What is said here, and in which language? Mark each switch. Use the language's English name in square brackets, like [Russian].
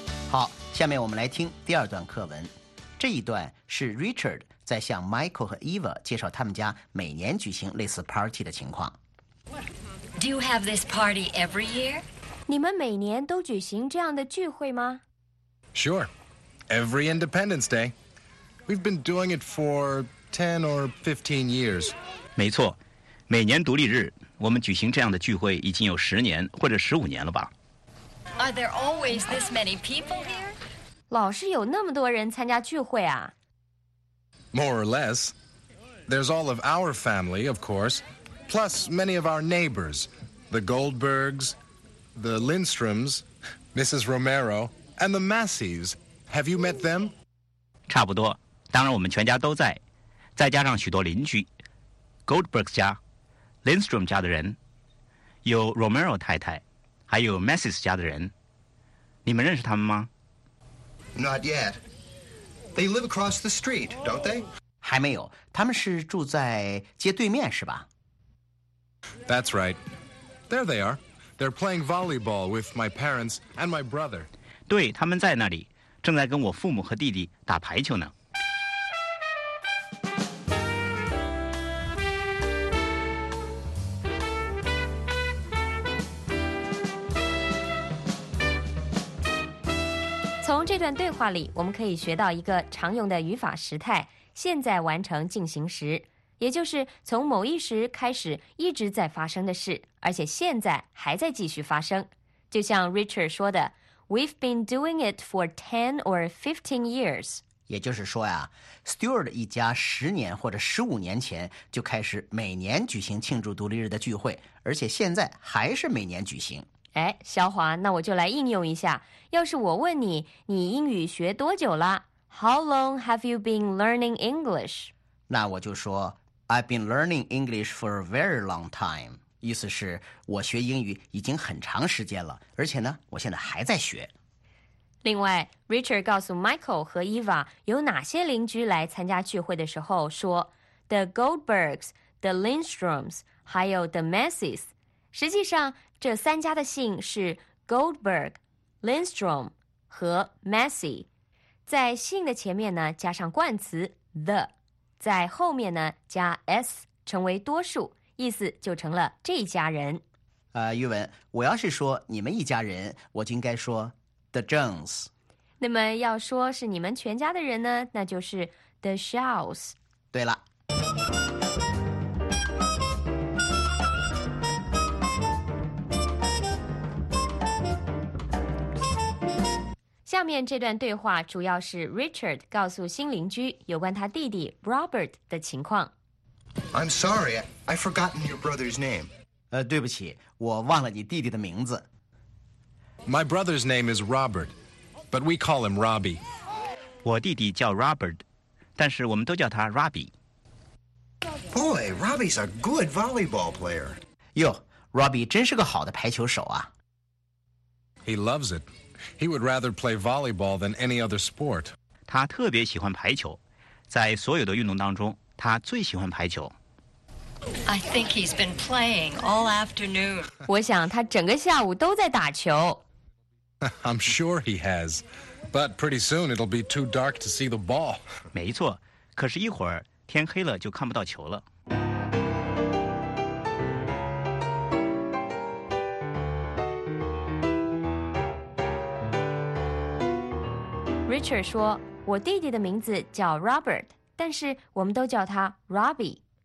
[Chinese] 好，下面我们来听第二段课文。这一段是 Richard 在向 Michael 和 Eva 介绍他们家每年举行类似 party 的情况。 [English] Do you have this party every year? [Chinese] 你们每年都举行这样的聚会吗？ [English] Sure, every Independence DayWe've been doing it for 10 or 15 years. [Chinese] 没错，每年独立日，我们举行这样的聚会已经有十年或者十五年了吧。 [English] Are there always this many people here? [Chinese] 老是有那么多人参加聚会啊。 [English] More or less. There's all of our family, of course, plus many of our neighbors, the Goldbergs, the Lindstroms, Mrs. Romero, and the Masseys. Have you met them? [Chinese] 差不多。当然我们全家都在，再加上许多邻居 Goldberg 家 Lindstrom 家的人，有 Romero 太太，还有 Masseys 家的人。你们认识他们吗？ [English] Not yet. They live across the street, don't they? [Chinese] 还没有，他们是住在街对面是吧？ [English] That's right. There they are. They're playing volleyball with my parents and my brother. [Chinese] 对，他们在那里，正在跟我父母和弟弟打排球呢。从这段对话里，我们可以学到一个常用的语法时态，现在完成进行时，也就是从某一时开始一直在发生的事，而且现在还在继续发生。就像 Richard 说的 [English] We've been doing it for 10 or 15 years。 [Chinese] 也就是说呀， Stewart 一家十年或者十五年前就开始每年举行庆祝独立日的聚会，而且现在还是每年举行。哎，肖华，那我就来应用一下。要是我问你，你英语学多久了？ [English] How long have you been learning English? [Chinese] 那我就说 [English] I've been learning English for a very long time. [Chinese] 意思是我学英语已经很长时间了，而且呢，我现在还在学。另外， Richard 告诉 Michael 和 Eva 有哪些邻居来参加聚会的时候说 The Goldbergs, The Lindstroms, 还有 The Masseys。实际上这三家的姓是 Goldberg, Lindstrom 和 Massey， 在姓的前面呢加上冠词 the， 在后面呢加 s 成为多数，意思就成了这一家人。玉文，我要是说你们一家人，我就应该说 the Jones。那么要说是你们全家的人呢，那就是 the Shaws。对了， [English] Thank you. [Chinese] 面这段对话主要是 Richard 告诉新邻居有关他弟弟 Robert 的情况。 [English] I'm sorry, I've forgotten your brother's name. [Chinese] 对不起，我忘了你弟弟的名字。 [English] My brother's name is Robert, but we call him Robbie. [Chinese] 我弟弟叫 Robert, 但是我们都叫他 Robbie。 [English] Boy, Robbie's a good volleyball player. [Chinese] Yo, Robbie 真是个好的排球手啊。 [English] He loves it. He would rather play volleyball than any other sport. [Chinese] 他特别喜欢排球，在所有的运动当中，他最喜欢排球。 [English] I think he's been playing all afternoon. [Chinese] 我想他整个下午都在打球。 [English] I'm sure he has, but pretty soon it'll be too dark to see the ball. [Chinese] 没错，可是一会儿天黑了就看不到球了。 Richard 说，我弟弟的名字叫 Robert， 但是我们都叫他 Robbie。